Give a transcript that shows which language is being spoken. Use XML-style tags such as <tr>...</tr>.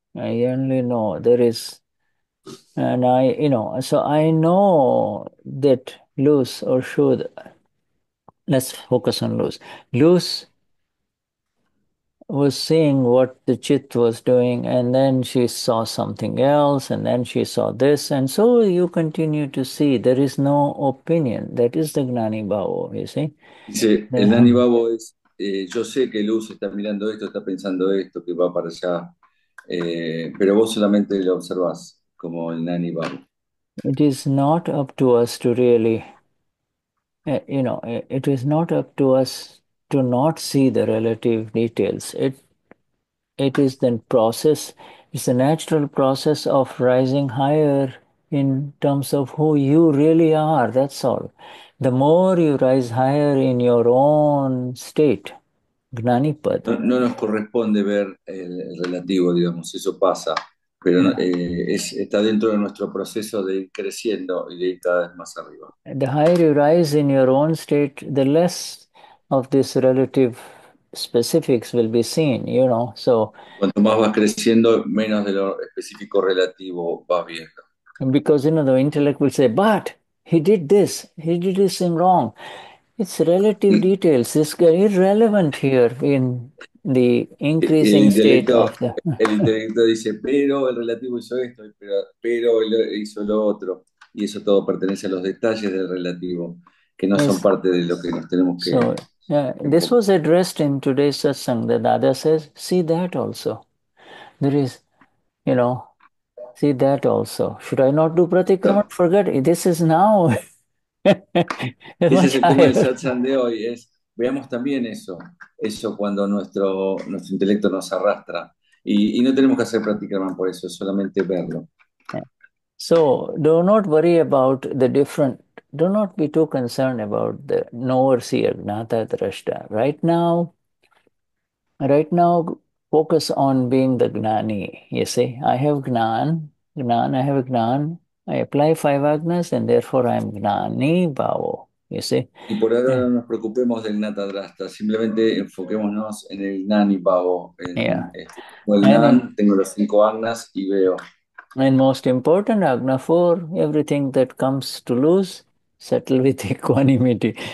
<en>I only know there is, and I, you know, so I know that Luz or Shuddha, let's focus on Luz. Luz was seeing what the chit was doing, and then she saw something else, and then she saw this, and so you continue to see. There is no opinion. That is the Gnani Bhavo, you see.</en> <es>Sí, el Gnani Bhavo es, yo sé que Luz está mirando esto, está pensando esto, que va para allá, pero vos solamente lo observás como el Gnani Bhavo.</es> <en>It is not up to us to really, you know, it is not up to us to not see the relative details. It is the process, it's the natural process of rising higher in terms of who you really are, that's all. The more you rise higher in your own state, Gnanipad.</en> <es>No, no nos corresponde ver el relativo, digamos, eso pasa, pero no, está dentro de nuestro proceso de ir creciendo y de ir cada vez más arriba.</es> <en>The higher you rise in your own state, the less of this relative specifics will be seen, you know. So,</en> <es>cuanto más vas creciendo, menos de lo específico relativo vas viendo.</es> <en>Because, you know, the intellect will say, but he did this thing wrong. It's relative details, it's irrelevant here in the increasing state of the...</en> <es>El intelecto dice, pero el relativo hizo esto, pero hizo lo otro. Y eso todo pertenece a los detalles del relativo, que no son parte de lo que nos tenemos que...</es> <en>So, this was addressed in today's satsang. The Dada says, see that also. There is, you know, See that also. Should I not do pratikrama? Forget it. This is now.</en> <es>Ese es el tema del satsang de hoy. Es, veamos también eso. Eso cuando nuestro intelecto nos arrastra. Y no tenemos que hacer pratikrama por eso, solamente verlo.</es> <en>So, do not worry about the different, do not be too concerned about the knower, seer, gnata, drashta. Right now, focus on being the gnani. You see, I have gnan, I apply five agnas, and therefore I am gnani bhavo. You see?</en> <es>Y por ahora no nos preocupemos del gnata, drashta, simplemente enfoquémonos en el gnani bhavo. El gnan, tengo los cinco agnas y veo.</es> <en>And most important, Agna 4, everything that comes to lose, settle with equanimity.</en>